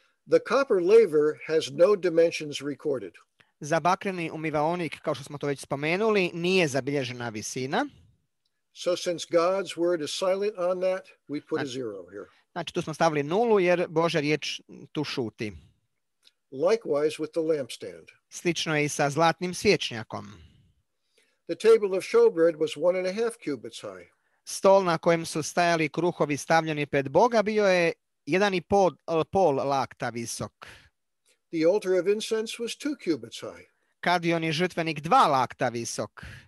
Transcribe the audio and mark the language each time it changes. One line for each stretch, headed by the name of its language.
English: The copper laver has no dimensions recorded.
Croatian: Za bakreni umivaonik, kao što smo to već spomenuli, nije zabilježena visina.
English: So since God's word is silent on that, we put a zero here.
Croatian: Znači, tu smo stavili nulu jer Božja riječ tu šuti.
English: Likewise with the lampstand.
Croatian: Slično je i sa zlatnim svjećnjakom.
English: The table of showbread was 1.5 cubits high.
Croatian: Stol na kojem su stajali kruhovi stavljeni pred Boga bio je 1.5 lakta visok.
English: The altar of incense was 2 cubits high.
Croatian: Kadion i žrtvenik 2 lakta visok.